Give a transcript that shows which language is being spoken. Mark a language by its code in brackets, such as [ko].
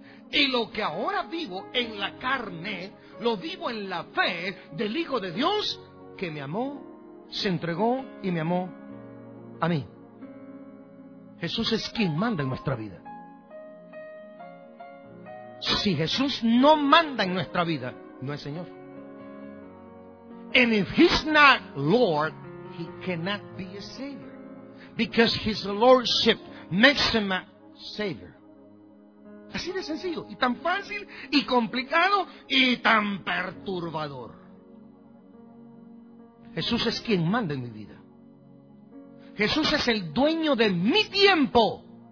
[es] Y lo que ahora vivo en la carne, lo vivo en la fe del Hijo de Dios, que me amó, se entregó y me amó a mí. Jesús es quien manda en nuestra vida. Si Jesús no manda en nuestra vida, no es Señor. [en] And if He's not Lord, He cannot be a Savior. Because His Lordship makes Him a Savior. [es] Así de sencillo, y tan fácil, y complicado, y tan perturbador. Jesús es quien manda en mi vida. Jesús es el dueño de mi tiempo.